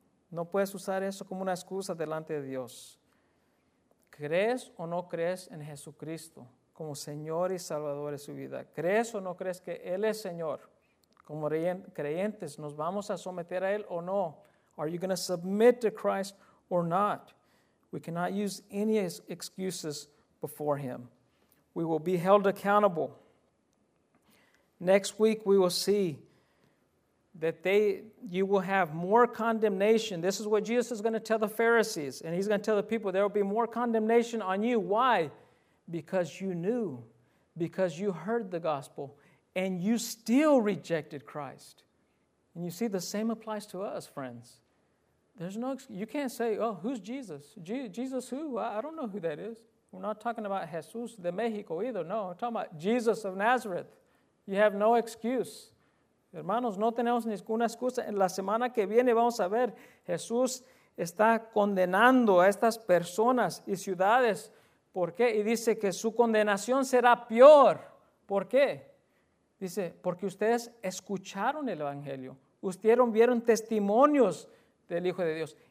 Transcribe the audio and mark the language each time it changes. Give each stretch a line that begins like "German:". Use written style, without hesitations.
Spanish: No puedes usar eso como una excusa delante de Dios. ¿Crees o no crees en Jesucristo como Señor y Salvador de su vida? ¿Crees o no crees que Él es Señor? Como creyentes, ¿nos vamos a someter a Él o no?
English: Are you going to submit to Christ or not? We cannot use any excuses before Him. We will be held accountable. Next week we will see that you will have more condemnation. This is what Jesus is going to tell the Pharisees, and He's going to tell the people, there will be more condemnation on you. Why? Because you knew, because you heard the gospel, and you still rejected Christ. And you see, the same applies to us, friends. There's no excuse. You can't say, oh, who's Jesus? Jesus who? I don't know who that is. We're not talking about Jesus de Mexico either. No, we're talking about Jesus of Nazareth. You have no excuse.
Spanish: Hermanos, no tenemos ninguna excusa. En la semana que viene vamos a ver, Jesús está condenando a estas personas y ciudades. ¿Por qué? Y dice que su condenación será peor. ¿Por qué? Dice, porque ustedes escucharon el Evangelio. Ustedes vieron testimonios del Hijo de Dios.